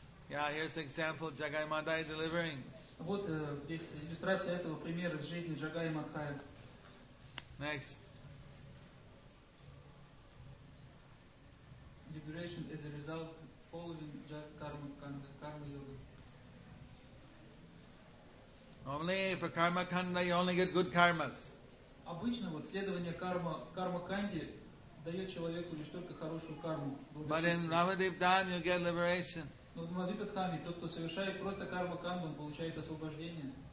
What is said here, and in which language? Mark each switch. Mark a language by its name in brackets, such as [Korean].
[English] Yeah, here's an example Jagai Madhai delivering. [Russian] Вот здесь иллюстрация этого примера из жизни Джагай Мадхая. [English] Next. Liberation is a result of following karma yoga. Only for karma kanda, you only get good karmas. [Russian] Обычно вот следование карма канди дает человеку лишь только хорошую карму. [English] But in Navadvipadhama you get liberation. [Russian] Но в Мадхупадхаме тот, кто совершает просто карма канду, он получает освобождение.